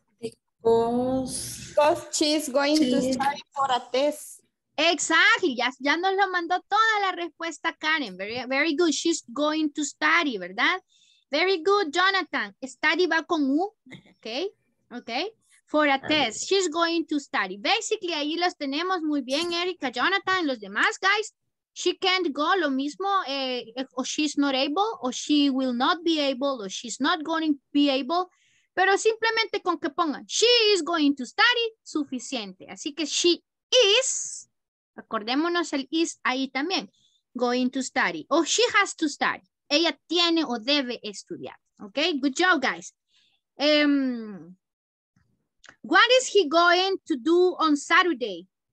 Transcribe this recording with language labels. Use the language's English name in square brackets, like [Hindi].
[English] Because she's going to study for a test. Exactly. [Spanish] Ya nos lo mandó toda la respuesta, Karen. [English] Very, very good. She's going to study, [Spanish] ¿verdad? [English] Very good, Jonathan. Study [Spanish] va con U. [English] Okay. Okay. For a test. She's going to study. [Spanish] Basically, ahí los tenemos muy bien, Erika, Jonathan, los demás, guys. [English] She can't go, [Spanish] lo mismo. [English] O she's not able, or she will not be able, or she's not going to be able. [Spanish] Pero simplemente con que pongan [English] she is going to study, [Spanish] suficiente. Así que [English] she is, [Spanish] acordémonos el is ahí también, [English] going to study. [Spanish] O [English] she has to study. [Spanish] Ella tiene o debe estudiar. [English] Ok, good job, guys. What is he going to do on Saturday?